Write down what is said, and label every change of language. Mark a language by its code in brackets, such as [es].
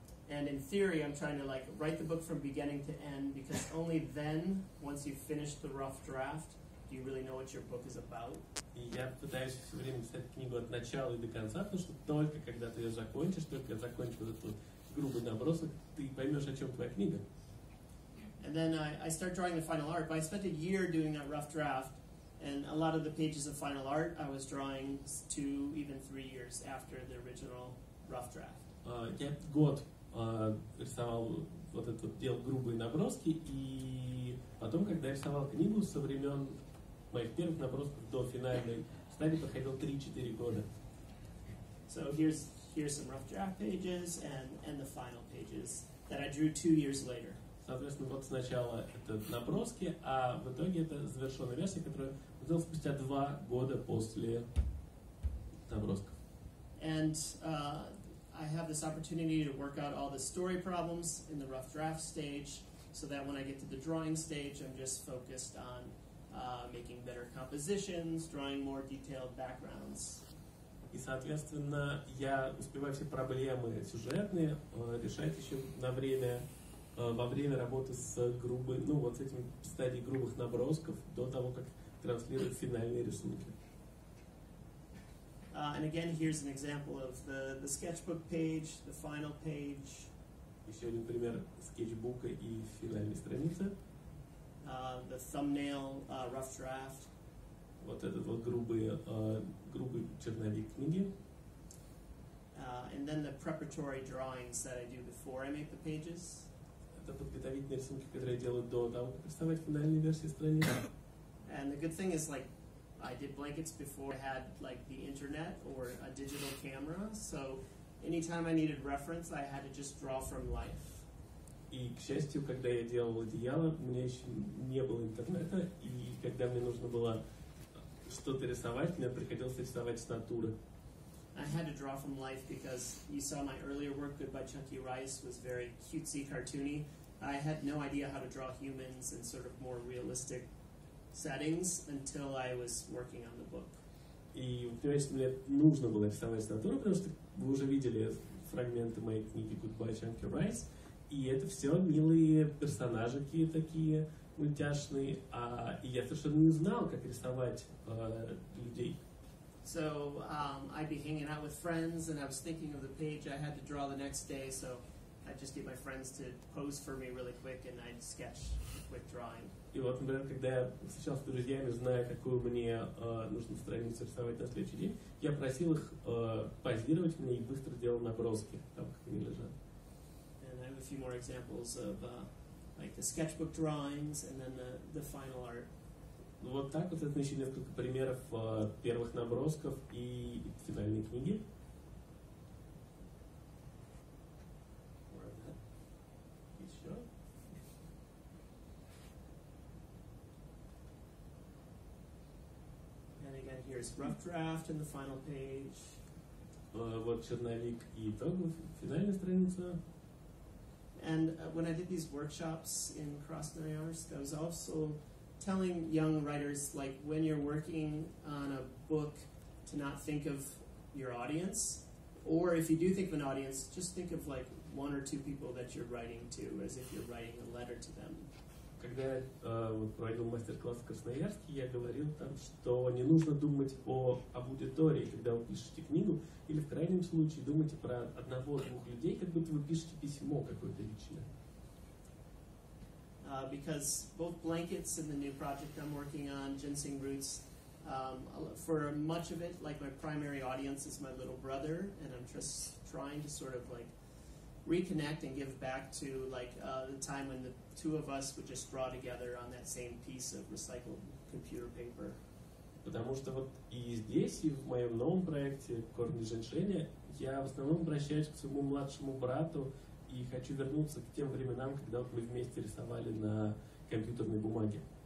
[en] And in theory, I'm trying to like write the book from beginning to end, because only then, once you've finished the rough draft, do you really know what your book is about. [ru] И я пытаюсь все время писать книгу от начала и до конца, потому что только когда ты ее закончишь, только я закончу этот вот грубый набросок, ты поймешь, о чем твоя книга. [en] And then I start drawing the final art, but I spent a year doing that rough draft. And a lot of the pages of final art I was drawing 2, even 3 years after the original rough draft. [ru] Я год рисовал вот это вот дел грубые наброски, и потом, когда я рисовал книгу со времен моих первых набросков до финальной стадии, проходило 3-4 года. [en] So here's some rough draft pages and the final pages that I drew 2 years later. [ru] Соответственно, вот сначала это наброски, а в итоге это завершенная версия, которую я сделал спустя 2 года после набросков. [en] And I have this opportunity to work out all the story problems in the rough draft stage, so that when I get to the drawing stage, I'm just focused on making better compositions, drawing more detailed backgrounds. [ru] И, соответственно, я успеваю все проблемы сюжетные решать еще на время. Во время работы с грубой, ну вот с этим стадией грубых набросков до того, как транслируют финальные рисунки. [en] And again, here's an example of the sketchbook page, the final page. [ru] Еще один пример скетчбука и финальной страницы. [en] The thumbnail, rough draft. [ru] Вот этот вот грубый черновик книги. [en] And then the preparatory drawings that I do before I make the pages. [ru] Это подготовительные рисунки, которые я делаю до того, как представлять финальные версии страниц. [en] And the good thing is, like, I did blankets before I had, like, the internet or a digital camera, so anytime I needed reference, I had to just draw from life. [ru] И, к счастью, когда я делал одеяло, у меня еще не было интернета, и когда мне нужно было что-то рисовать, мне приходилось рисовать с натуры. [en] I had to draw from life because you saw my earlier work, Goodbye Chunky Rice, was very cutesy, cartoony. I had no idea how to draw humans in sort of more realistic settings until I was working on the book. [ru] И, конечно, мне нужно было рисовать с натуры, потому что вы уже видели фрагменты моей книги Goodbye Chunky Rice, и это все милые персонажики такие мультяшные, а я совершенно не знал, как рисовать людей. [en] So I'd be hanging out with friends, and I was thinking of the page I had to draw the next day, so I'd just get my friends to pose for me really quick, and I'd sketch a quick drawing. [ru] И вот, например, когда я встречался с друзьями, зная, какую мне нужно страницу рисовать на следующий день, я просил их позировать мне и быстро делал наброски, там, как они лежат. [en] And I have a few more examples of like the sketchbook drawings, and then the final art. [ru] Вот так вот, это еще несколько примеров первых набросков и финальной книги. Еще. [en] And again, here's rough draft in the final page. [ru] вот черновик и итог, финальная страница. [en] And when I did these workshops in Красноярск, I was also telling young writers, like, when you're working on a book, to not think of your audience, or if you do think of an audience, just think of like one or two people that you're writing to, as if you're writing a letter to them. [ru] Когда я проводил мастер-класс в Красноярске, я говорил там, что не нужно думать об аудитории, когда вы пишете книгу, или в крайнем случае думайте про одного-двух людей, как будто вы пишете письмо какой-то личное. [en] Because both blankets in the new project I'm working on, ginseng roots, for much of it, like my primary audience is my little brother, and I'm just trying to sort of like reconnect and give back to like the time when the two of us would just draw together on that same piece of recycled computer paper. [ru] Потому что вот и здесь, и в моем новом проекте «Корни женьшеня», я в основном обращаюсь к своему младшему брату и хочу вернуться к тем временам, когда вот мы вместе рисовали на компьютерной бумаге.